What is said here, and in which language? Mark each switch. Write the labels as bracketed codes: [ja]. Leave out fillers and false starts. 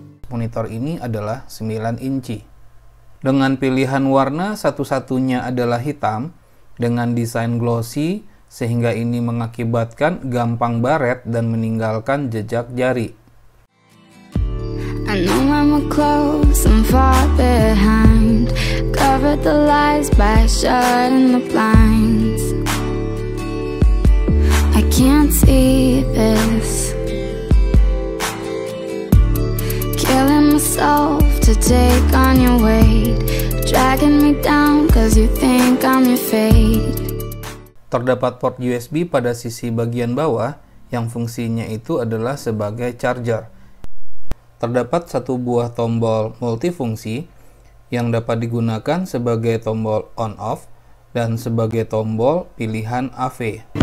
[id] Monitor ini adalah 9 inci. Dengan pilihan warna satu-satunya adalah hitam dengan desain glossy sehingga ini mengakibatkan gampang baret dan meninggalkan jejak jari. [en] I know I'm a close, I'm far behind. Covered the lies by shutting the blinds. I can't see this. Killing myself to take on your weight. Dragging me down cause you think I'm your fate. [id] Terdapat port USB pada sisi bagian bawah yang fungsinya itu adalah sebagai charger. Terdapat satu buah tombol multifungsi yang dapat digunakan sebagai tombol on-off dan sebagai tombol pilihan AV.